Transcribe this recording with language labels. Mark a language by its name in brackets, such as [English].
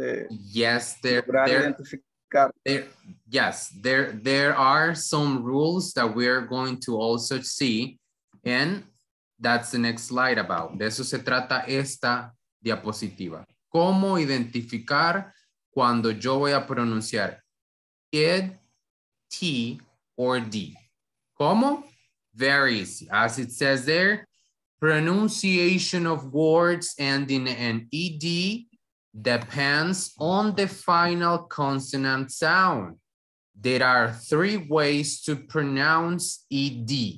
[English] yes, there are some rules that we are going to also see and that's the next slide about. [Spanish] De eso se trata esta diapositiva. ¿Cómo identificar cuando yo voy a pronunciar ed, t, or d? ¿Cómo? [English] Very easy. As it says there, pronunciation of words ending in ed depends on the final consonant sound. There are three ways to pronounce ed.